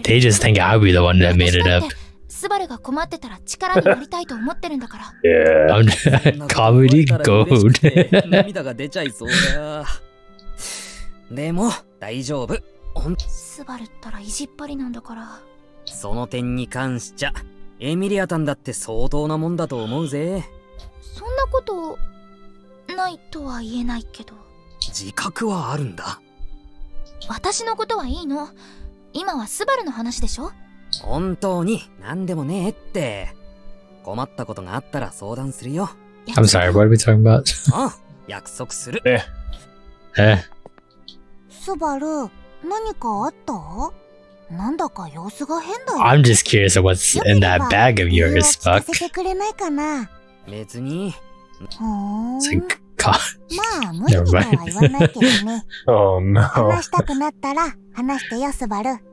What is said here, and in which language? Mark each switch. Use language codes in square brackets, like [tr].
[en] They just think I'll be the one that made it up. [ja] スバルが困ってたら力になりたいと思ってるんだから。カムリゴール。涙が出ちゃいそうだ。でも大丈夫。スバルったら意地っ張りなんだから。その点に関しちゃ、エミリアタンだって相当なもんだと思うぜ。そんなことないとは言えないけど。自覚はあるんだ。私のことはいいの。今はスバルの話でしょ。本当に何でもねえって困ったことがあったら相談するよ。 [en] I'm sorry, what are we talking about? [ja] あ、約束する。スバル、何かあった？なんだか様子が変だよ。 [en] I'm just curious what's in that bag of yours, Buck. [ja] 聞かせてくれないかな。別に。ほーん。か。まあ無理には言わないけどね。 [en] Oh no. [ja] 話したくなったら話してよ、スバル。